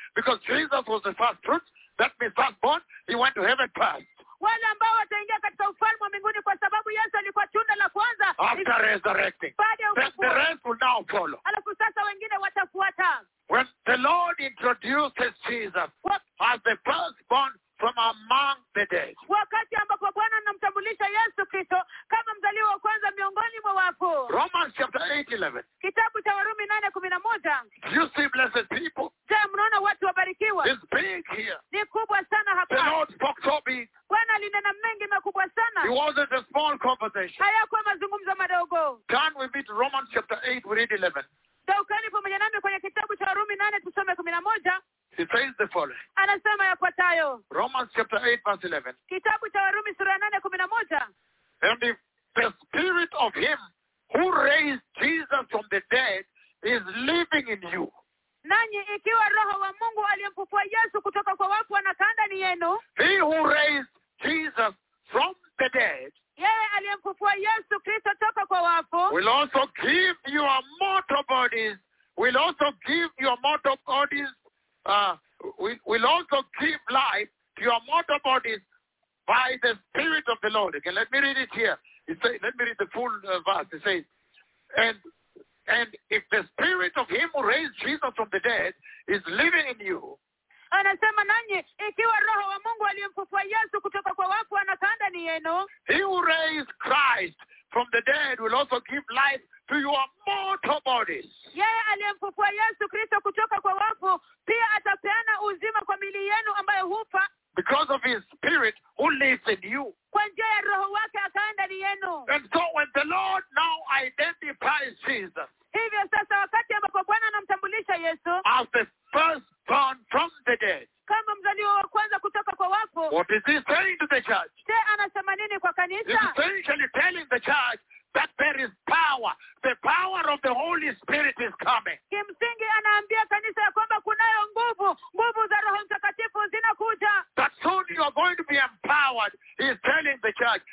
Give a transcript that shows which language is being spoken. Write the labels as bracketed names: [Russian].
[English] Because Jesus was the first fruit, that means first born, he went to heaven first. [Swahili] Wale ambao wataingia katika ufalme wa mbinguni kwa sababu Yesu alikuwa tunda la kwanza. [English] After resurrecting. Then the rest will now follow. [Swahili] Alafu sasa wengine watafuata. [English] When the Lord introduces Jesus as the firstborn from among the dead. [Swahili] Wakati ambapo Bwana anamtambulisha Yesu Kristo kama mzaliwa wa kwanza miongoni mwa wafu. [English] Romans chapter 8:11. [Swahili] Kitabu cha Warumi 8:11. [English] You see blessed people. [Swahili] Je, mnaona watu wabarikiwa? [English] It's big here. [Swahili] Ni kubwa sana hapa. [English] The Lord spoke to me. [Swahili] Bwana alinena mengi makubwa sana. [English] It wasn't a small conversation. [Swahili] Hayakuwa mazungumzo madogo. [English] Turn with me to Romans chapter 8, we read 11. [Swahili] Dokani pamoja nami kwenye kitabu cha Warumi 8 tusome 11. [English] He says the following. [Swahili] Anasema yafuatayo. [English] Romans chapter 8 verse 11. [Swahili] Kitabu cha Warumi sura 8:11. [English] And if the spirit of him who raised Jesus from the dead is living in you. [Swahili] Nanyi ikiwa roho wa Mungu aliyemfufua Yesu kutoka kwa wafu anakaa ndani yenu. [English] He who raised Jesus from the dead. [Swahili] Yeye aliyemfufua Yesu Kristo kutoka kwa wafu. [English] Will also give you a mortal bodies. Will also give your mortal bodies. We'll also give life to your mortal bodies by the Spirit of the Lord. Okay, let me read it here. Let me read the full verse. It says, and if the Spirit of him who raised Jesus from the dead is living in you, [Swahili] anasema nanyi, ikiwa roho wa Mungu aliyemfufua Yesu kutoka kwa wafu anakaa ndani yenu, [English] he who raised Christ from the dead will also give life to your mortal bodies. [Swahili] Yeye aliyemfufua Yesu Kristo kutoka kwa wafu pia atapeana uzima kwa miili yenu ambayo hufa. [English] Because of his spirit who lives in you. [Swahili] Kwa njia ya roho wake akaa ndani yenu. [English] And so when the Lord now identifies Jesus. [Swahili] Hivyo sasa wakati ambapo Bwana anamtambulisha Yesu. [English] As the firstborn from the dead. [Swahili] Kama mzaliwa wa kwanza kutoka kwa wafu. [English] What is he saying to the church? [Swahili] Je, anasema nini kwa kanisa? [English] He's essentially telling the church that there is power. The power of the Holy Spirit is coming. [Swahili] Kimsingi anaambia kanisa ya kwamba kunayo nguvu. Nguvu za Roho Mtakatifu zinakuja. [English] That soon you are going to be empowered. He's telling the church.